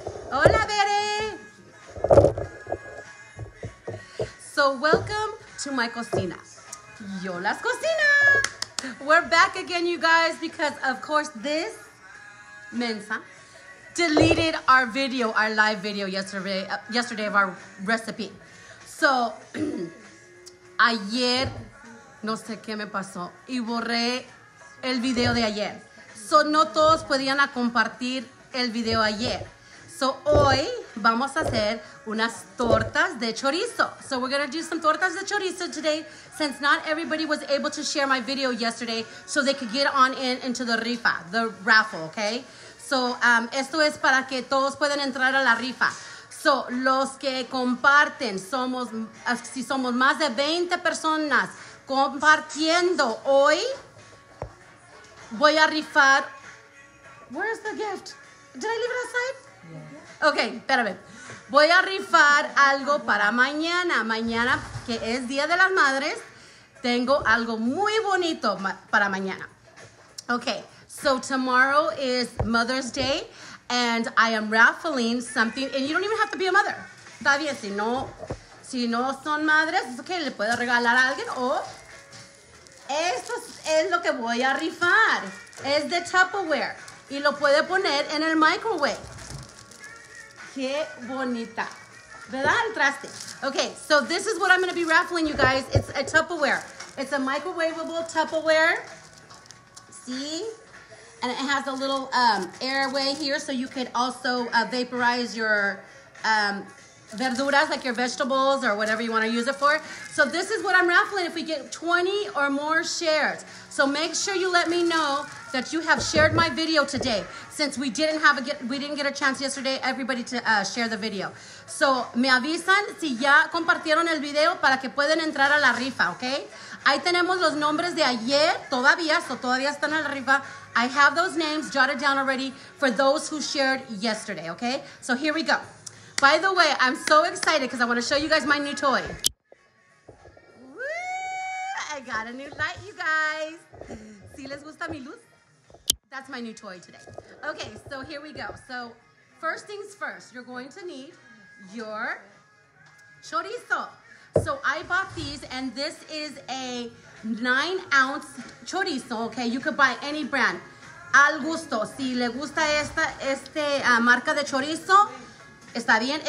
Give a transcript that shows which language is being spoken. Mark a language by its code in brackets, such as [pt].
[es] Hola, Bere. [en] So welcome to my cocina. [es] Yo las cocina. [en] We're back again, you guys, because, of course, this mensa deleted our video, our live video yesterday of our recipe. [es] So, ayer, no sé qué me pasó, y borré el video de ayer. So, no todos podían compartir el video ayer. So, hoy vamos a hacer unas tortas de chorizo. [en] So, we're going to do some tortas de chorizo today, since not everybody was able to share my video yesterday, so they could get on into the rifa, the raffle, okay? [es] So, esto es para que todos puedan entrar a la rifa. So, los que comparten, si somos más de 20 personas compartiendo hoy, voy a rifar. [en] Where's the gift? Did I leave it outside? Yeah. Okay, [es] espérame. Voy a rifar algo para mañana. Mañana, que es Día de las Madres, tengo algo muy bonito para mañana. [en] Okay, so tomorrow is Mother's Day. And I am raffling something, and you don't even have to be a mother. [es] Está bien, si no son madres, es que le puedo regalar a alguien, o esto es lo que voy a rifar. Es de Tupperware, y lo puede poner en el microwave. Qué bonita, ¿verdad? Entraste. [en] Okay, so this is what I'm going to be raffling, you guys. It's a Tupperware. It's a microwavable Tupperware. See? And it has a little airway here, so you could also vaporize your verduras, like your vegetables or whatever you want to use it for. So this is what I'm raffling if we get 20 or more shares. So make sure you let me know that you have shared my video today, since we didn't get a chance yesterday, everybody, to share the video. [es] So me avisan si ya compartieron el video para que puedan entrar a la rifa, okay? Ahí tenemos los nombres de ayer, todavía están en la rifa. [en] I have those names jotted down already for those who shared yesterday, okay? So here we go. By the way, I'm so excited because I want to show you guys my new toy. Woo! I got a new light, you guys. [es] ¿Sí les gusta mi luz? [en] That's my new toy today. Okay, so here we go. So first things first, you're going to need your chorizo. So I bought these, and this is a 9-ounce chorizo, okay? You could buy any brand. [es] Al gusto. Si le gusta esta marca de chorizo, está bien.